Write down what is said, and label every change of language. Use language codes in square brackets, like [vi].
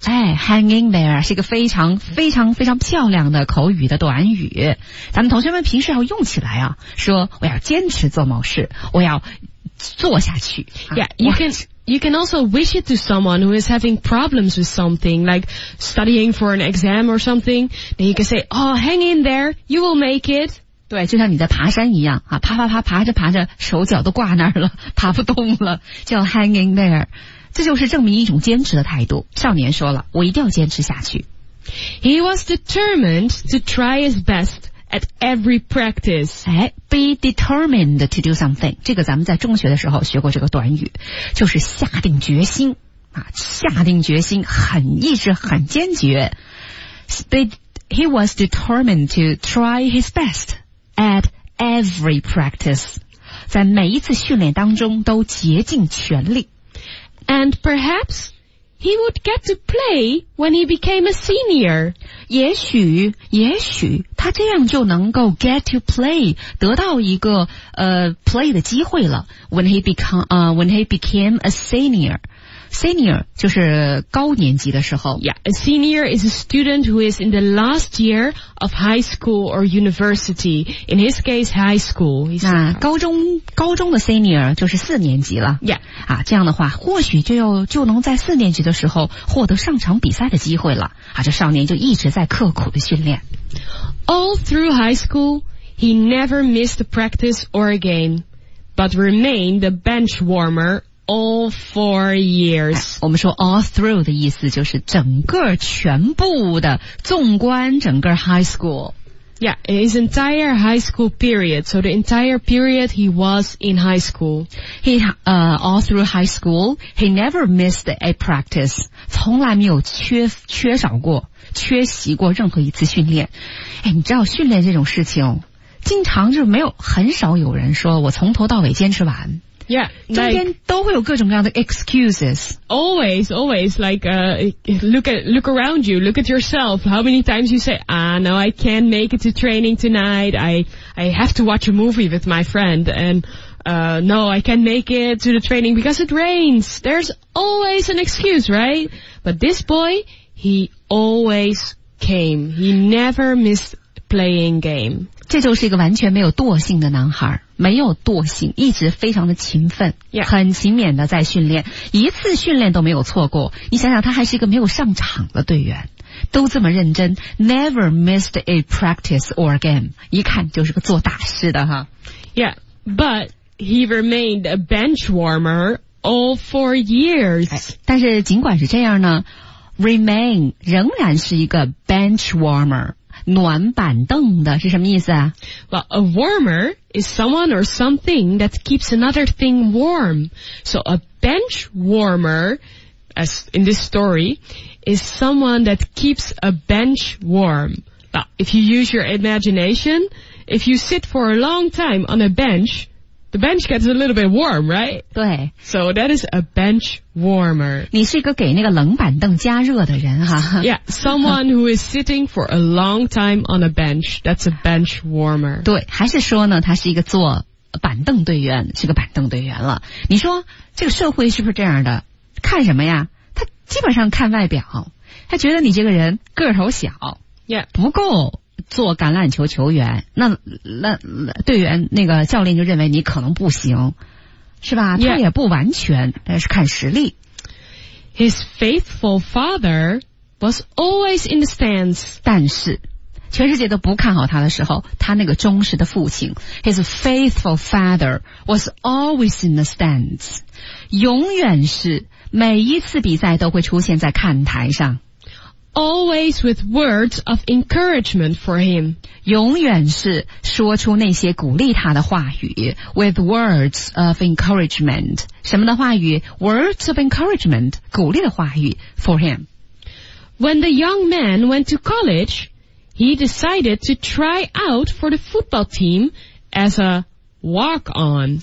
[zh] 哎 [en] hang in there [zh] 是一个非常非常非常漂亮的口语的短语咱们同学们平时要用起来啊说我要坚持做某事我要做下去 [en] You can also wish it to someone who is having problems with something, like studying for an exam or something. Then you can say, oh, hang in there, you will make it. [zh] 对，就像你在爬山一样，啊，爬爬爬，爬着爬着，手脚都挂那儿了，爬不动了，叫 [en] hang in there. [zh] 这就是证明一种坚持的态度。少年说了，我一定要坚持下去。 [en] He was determined to try his best. At every practice. 哎 ,be determined to do something. [zh] 这个咱们在中学的时候学过这个短语。就是下定决心。啊下定决心很意志很坚决。 [en] He was determined to try his best at every practice. [zh] 在每一次训练当中都竭尽全力。 [en] And perhaps... He would get to play when he became a senior. [zh] 也许他这样就能够 [en] get to play, [zh] 得到一个play 的机会了。 [en] When he became a senior. [zh] Senior 就是高年级的时候。 [en] Yeah, a senior is a student who is in the last year of high school or university. In his case, high school. [zh] 那高中的 senior 就是四年级了。 [en] Yeah. [zh] 啊这样的话或许就能在四年级的时候获得上场比赛的机会了。啊这少年就一直在刻苦的训练。 [en] All through high school, he never missed a practice or a game, but remained a bench warmer,All 4 years.、 [zh] 哎、我们说 [en] all through [zh] 的意思就是整个全部的纵观整个 [en] high school. Yeah, his entire high school period. So the entire period he was in high school. All through high school, he never missed a practice. [zh] 从来没有缺席过任何一次训练。哎，你知道训练这种事情，经常就没有很少有人说我从头到尾坚持完。 [en] Yeah, [zh] 中间都会有各种各样的 excuses. [en] Always, like, look around you, look at yourself, how many times you say, ah, no, I can't make it to training tonight, I have to watch a movie with my friend, and, no, I can't make it to the training because it rains. There's always an excuse, right? But this boy, he always came. He never missed playing game. [zh] 这就是一个完全没有惰性的男孩，没有惰性，一直非常的勤奋、 [en] yeah. [zh] 很勤勉的在训练，一次训练都没有错过。你想想他还是一个没有上场的队员，都这么认真， [en] never missed a practice or a game， [zh] 一看就是个做大事的哈。 [en] Yeah, but he remained a bench warmer all 4 years. [zh] 但是尽管是这样呢 ,remain 仍然是一个 [en] bench warmer, [zh] 暖板凳的是什么意思啊 [en] ?Well, a warmer is someone or something that keeps another thing warm. So a bench warmer, as in this story, is someone that keeps a bench warm. Now, if you use your imagination, if you sit for a long time on a bench,The bench gets a little bit warm, right? [zh] 对。 [en] So that is a bench warmer. [zh] 你是一个给那个冷板凳加热的人哈。 [en] Yeah, someone who is sitting for a long time on a bench, that's a bench warmer. [zh] 对,还是说呢,他是一个坐板凳队员,是个板凳队员了。你说,这个社会是不是这样的?看什么呀? 他基本上看外表。他觉得你这个人个头小。 [en] Yeah. [zh] 不够。做橄榄球球员那队员那个教练就认为你可能不行是吧、 [en] yeah. [zh] 他也不完全但是看实力 [en] His faithful father was always in the stands [zh] 但是全世界都不看好他的时候他那个忠实的父亲 [en] His faithful father was always in the stands [zh] 永远是每一次比赛都会出现在看台上 [en] Always with words of encouragement for him. [zh] 永远是说出那些鼓励他的话语 [en] with words of encouragement. [zh] 什么的话语 [en] words of encouragement, [zh] 鼓励的话语 [en] for him. When the young man went to college, he decided to try out for the football team as a walk-on.